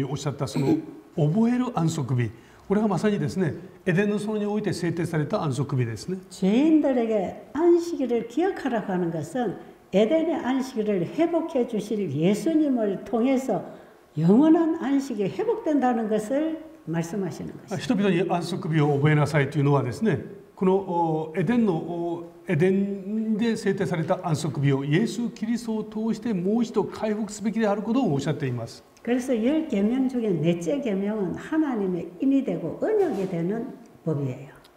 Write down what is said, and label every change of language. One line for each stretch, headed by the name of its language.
Japanese: この安息日を覚えて聖とせよというふうにおっしゃったその覚える安息日。これが まさにですね、エデンの園において制定された安息日ですね。
Korean: 죄인들에게 안식일을 기억하라고 하는 것은 에덴의 안식일을 회복해 주실 예수님을 통해서 영원한 안식이 회복된다는 것을 말씀하시는 것입니다.
Japanese: 人々に 安息日を覚えなさいというのはですね、このエデンで制定された安息日をイエス・キリストを通してもう一度回復すべきであることをおっしゃっています。
Korean: 그래서 열 계명 중에 넷째 계명은 하나님의 인이 되고 은혁이 되는 법이에요.